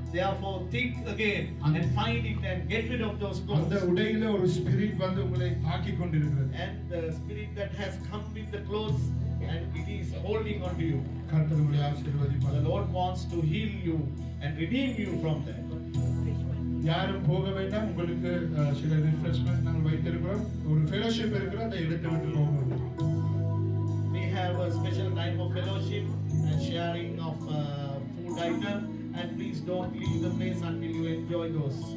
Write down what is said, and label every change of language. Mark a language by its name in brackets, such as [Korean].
[English] Therefore think again and find it and get rid of those clothes. [Tamil] அந்த உடையில ஒரு spirit வந்து உங்களை தாக்கிக் கொண்டிருக்கிறது. [English] And the spirit that has come with the clothes and it is holding on to you. [Tamil] கர்த்தர் உங்களை ஆசீர்வதிப்பார். [English] The Lord wants to heal you and redeem you from that. [Tamil] யாரும் போக வேண்டாம், உங்களுக்கு சில ரிஃப்ரெஷ்மெண்ட் நாங்கள் வைத்திருக்கிறோம். ஒரு ஃபெலோஷிப் இருக்கிற அதை எடுத்து விட்டு போகணும். [English] We have a special time of fellowship and sharing of food items. And please don't leave the place until you enjoy those.